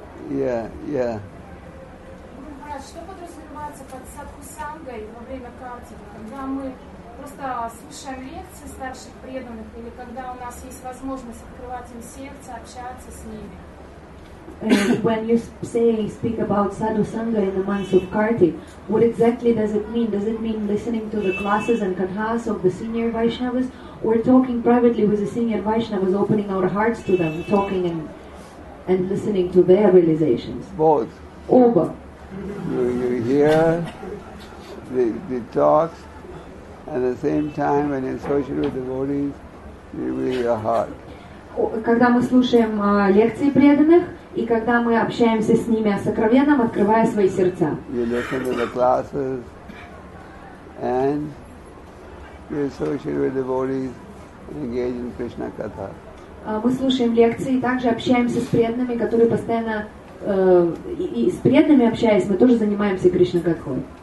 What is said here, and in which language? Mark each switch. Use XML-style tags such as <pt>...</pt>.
<ru>Я, я. Гуру Махарадж, что подразумевается под садху-сангой во время практики, когда мы просто слушаем лекции старших преданных или когда у нас есть возможность открывать им сердце, общаться с ними?</ru> <en>When you speak about Sadhu Sangha in the months of Kartik, what exactly does it mean? Does it mean listening to the classes and kathas of the senior Vaishnavas, or talking privately with the senior Vaishnavas, opening our hearts to them, talking and listening to their realizations? Both.</en> <ru>Oba.</ru> <en>You hear the talks, and at the same time, when you're associated with devotees, you read your heart.</en> <ru>Когда мы слушаем лекции преданных, и когда мы общаемся с ними о сокровенном, открывая свои сердца.</ru> <en>You listen to the classes and you associate with devotees and engage in Krishna katha.</en> <ru>Мы слушаем лекции и также общаемся с преданными, которые постоянно и с преданными общаясь, мы тоже занимаемся Кришна катхой.</ru>